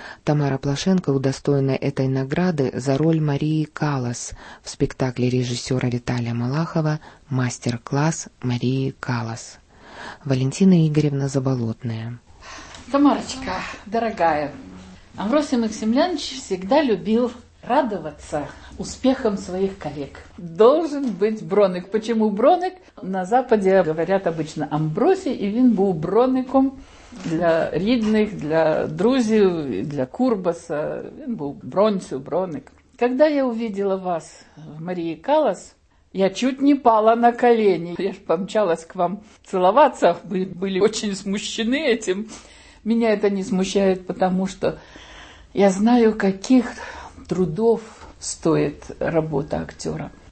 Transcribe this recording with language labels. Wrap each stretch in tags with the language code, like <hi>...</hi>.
<ru>Тамара Плашенко удостоена этой награды за роль Марии Каллас в спектакле режиссера Виталия Малахова «Мастер-класс Марии Каллас». Валентина Игоревна Заболотная. Тамарочка, дорогая, Амвросий Максимилианович всегда любил радоваться успехом своих коллег. Должен быть Бронек. Почему Бронек? На Западе говорят обычно Амвросий,</ru> <uk>и він був Бронеком для рідних, для друзів, для Курбаса. Він був Бронцю, Бронек.</uk> <ru>Когда я увидела вас в Марії Каллас, я чуть не пала на колени. Я ж помчалась к вам целоваться. Вы были очень смущены этим. Меня это не смущает, потому что я знаю, каких трудов стоит работа актера.</ru>